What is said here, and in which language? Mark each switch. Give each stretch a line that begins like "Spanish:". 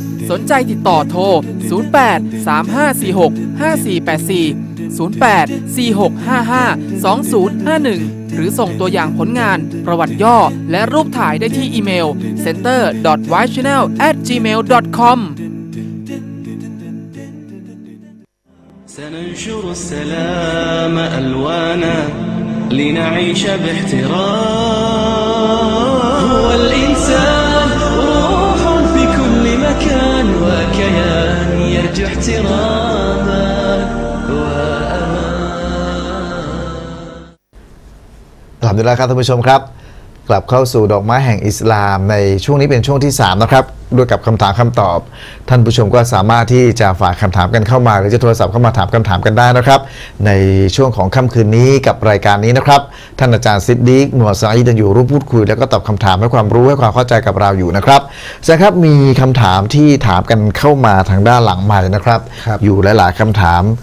Thai: สนใจติดต่อโทร0835465484 0846552051หรือส่งตัวอย่างผลงานประวัติย่อและรูปถ่ายได้ที่อีเมล center.ychannel@gmail.com
Arabic: سننشر السلام ألوانا لنعيش باحترام هو الإنسان روح في كل مكان وكيان يرجع احتراما وأمان الحمد لله
Thai: ครับท่านผู้ชมครับกลับเข้าสู่ดอกไม้แห่งอิสลามในช่วงนี้เป็นช่วงที่3นะครับด้วยกับคำถามคำตอบท่านผู้ชมก็สามารถที่จะฝากคำถามกันเข้ามาหรือจะโทรศัพท์เข้ามาถามคำถามกันได้นะครับในช่วงของค่ำคืนนี้กับรายการนี้นะครับท่านอาจารย์ซิดดีกมูฮัมหมัดซออีดันอยู่ร่วมพูดคุยแล้วก็ตอบคำถามให้ความรู้ให้ความเข้าใจกับเราอยู่นะครับนะครับมีคำถามที่ถามกันเข้ามาทางด้านหลังมาเลยนะครับอยู่หลายๆคำถาม